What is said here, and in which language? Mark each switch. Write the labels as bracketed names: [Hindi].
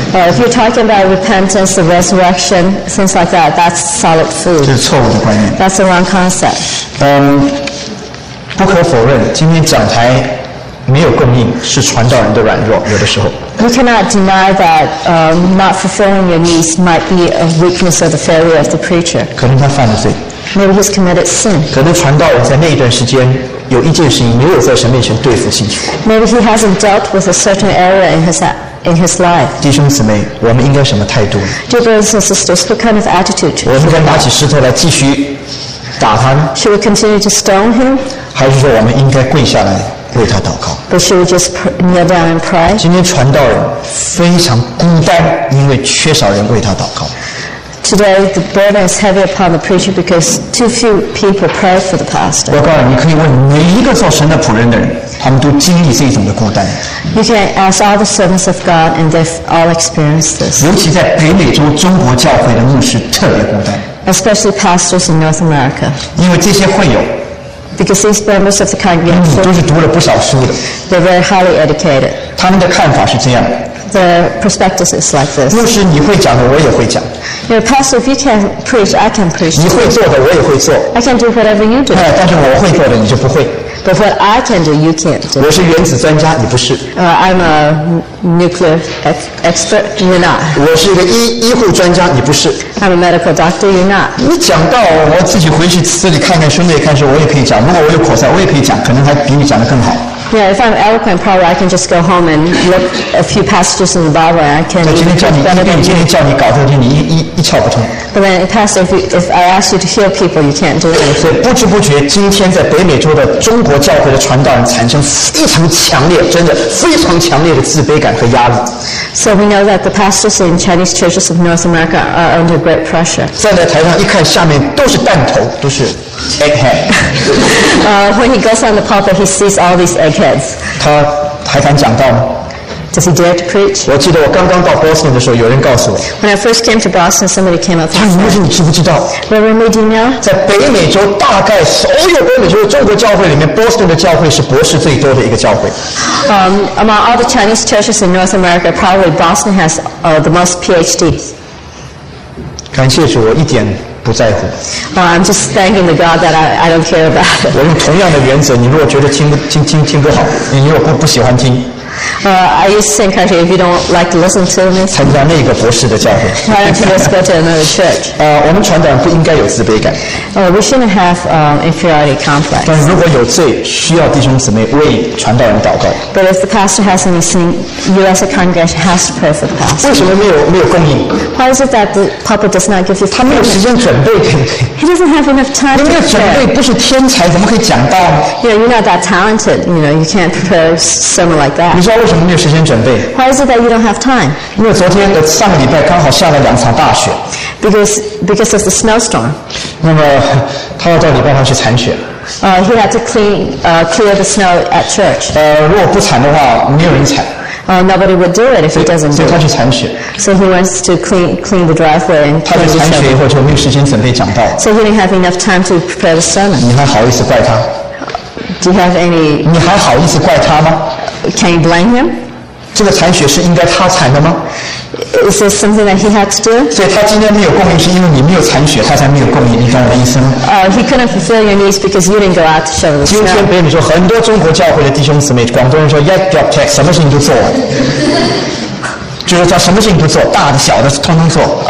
[English] If you're talking about repentance, the resurrection, things like that, that's solid food. [Chinese] 这是错误的观念。 [English] That's the wrong concept. [Chinese] 不可否认，今天讲台没有供应，是传道人的软弱。有的时候 [English] ，We cannot deny that not fulfilling your needs might be a weakness or the failure of the preacher. [Chinese] 可能他犯了罪 [English] ，Maybe he's committed sin. [Chinese] 可能传道人在那一段时间有一件事情没有在神面前对付清楚。 [English] Maybe he hasn't dealt with a certain area in his act. In his life. [Chinese] 弟兄姊妹，我们应该什么态度？ [English] Dear brothers and sisters, what kind of attitude? [Chinese] 我们应该拿起石头来继续打他呢？ [English] Should we continue to stone him? [Chinese] 还是说我们应该跪下来为他祷告？ [English] But should we just kneel down and pray? [Chinese] 今天传道人非常孤单，因为缺少人为他祷告。 [English] Today, the burden is heavy upon the preacher because too few people pray for the pastor. [Chinese] 我告诉你，你可以问每一个做神的仆人的人，他们都经历这种的孤单。 [English] You can ask all the servants of God, and they've all experienced this. [Chinese] 尤其在北美洲中国教会的牧师特别孤单。 [English] Especially pastors in North America. [Chinese] 因为这些会友。 [English] Because these members of the congregation. [Chinese] 都是读了不少书的。 [English] They're very highly educated. [Chinese] 他们的看法是这样。 [English] The perspective is like this. [Chinese] 牧师，你会讲的，我也会讲。 [English] Your pastor, if you can preach, I can preach. [Chinese] 你会做的，我也会做。 [English] I can do whatever you do. [Chinese] 但是我会做的，你就不会。 [English] But what I can do, you can't do. [Chinese] 我是原子专家，你不是。 [English] I'm a nuclear expert. You're not. [Chinese] 我是一个医护专家，你不是。 [English] I'm a medical doctor. You're not. [Chinese] 你讲到我自己回去自己看看书，看书，我也可以讲。如果我有口才，我也可以讲，可能还比你讲的更好。 [English] Yeah, if I'm eloquent, probably I can just go home and look a few passages in the Bible, and I can. [Chinese] 对，今天叫你，今天叫你搞这个，你一窍不通。 [English] But then, Pastor, if I ask you to heal people, you can't do it. [Chinese] 所以不知不觉，今天在北美洲的中国教会的传道人产生非常强烈，真的非常强烈的自卑感和压力。 [English] So we know that the pastors in Chinese churches of North America are under great pressure. [Chinese] 站在台上一看，下面都是弹头，都是 egghead. [English] When he goes on the pulpit, he sees all these egg. [Chinese] 他还敢讲道吗？ [English] Does he dare to preach? [Chinese] 我记得我刚刚到 Boston 的时候，有人告诉我。 [English] When I first came to Boston, somebody came up to me. [Chinese] 他说：“你知不知道？ [English] Reverend Lee, do you know? [Chinese] 在北美洲，大概所有北美洲的中国教会里面， Boston 的教会是博士最多的一个教会。 [English] Among all the Chinese churches in North America, probably Boston has the most PhDs. [Chinese] 感谢主，我一点。不在乎。 [English] I'm just thanking the God that I don't care about. [Chinese] 我用同样的原则，你如果觉得听不好，你如果不喜欢听。 [English] I used to think, actually, if you don't like to listen to me, [Chinese] 参加那个博士的教会 [English] why don't you just go to another church? [Chinese] 我们传道不应该有自卑感。 [English] We shouldn't have inferiority complex. [Chinese] 但如果有罪，需要弟兄姊妹为传道人祷告。 [English] But if the pastor has any sin, you as a congregation has to pray for the pastor. [Chinese] 为什么没有供应？ [English] Why is it that the pastor does not give you? [Chinese] 他没有时间准备。 [English] He doesn't have enough time. [Chinese] 没有准备不是天才，怎么可以讲道呢？ [English] Yeah, you're not that talented. You know, you can't prepare someone like that. [Chinese] 你知道为什么没有时间准备？ [English] Why is it that you don't have time? [Chinese] 因为昨天的上个礼拜刚好下了两场大雪。 [English] Because of the snowstorm. [Chinese] 那么他要到礼拜堂去铲雪。 [English] He had to clear the snow at church. [Chinese] 如果不铲的话，没有人铲。 [English] Nobody would do it if he doesn't do it. [Chinese] 所以他去铲雪。 [English] So he wants to clean the driveway and clean the shovel. [Chinese] 他去铲雪以后就没有时间准备讲道。 [English] So he didn't have enough time to prepare the sermon. [Chinese] 你还好意思怪他？ [English] Do you have any? [Chinese] 你还好意思怪他吗？ [English] Can you blame him? [Chinese] 这个铲雪是应该他铲的吗？ [English] Is this something that he had to do? [Chinese] 所以他今天没有供应，是因为你没有铲雪，他才没有供应。你当我的医生吗？ [English] He couldn't fulfill your needs because you didn't go out to show the snow. [Chinese] 今天跟你说，很多中国教会的弟兄姊妹，广东人说 yet drop tech， 什么事情都做。就是叫什么事情都做，大的小的通通做。